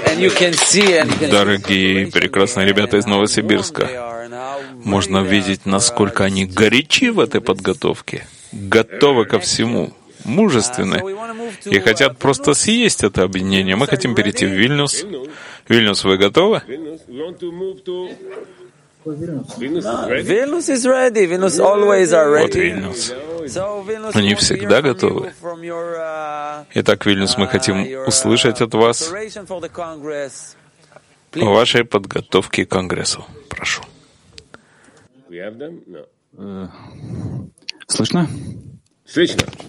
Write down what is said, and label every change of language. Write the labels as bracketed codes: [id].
[ru] Дорогие прекрасные ребята из Новосибирска, можно видеть, насколько они горячи в этой подготовке, готовы ко всему, мужественны и хотят просто съесть это объединение. Мы хотим перейти в Вильнюс. Вильнюс, вы готовы? [en] Вильнюс is ready. Вильнюс always are ready. [ru] Вот Вильнюс. Они всегда готовы. Итак, Вильнюс, мы хотим услышать от вас о вашей подготовке к Конгрессу. Прошу. Слышно? Слышно.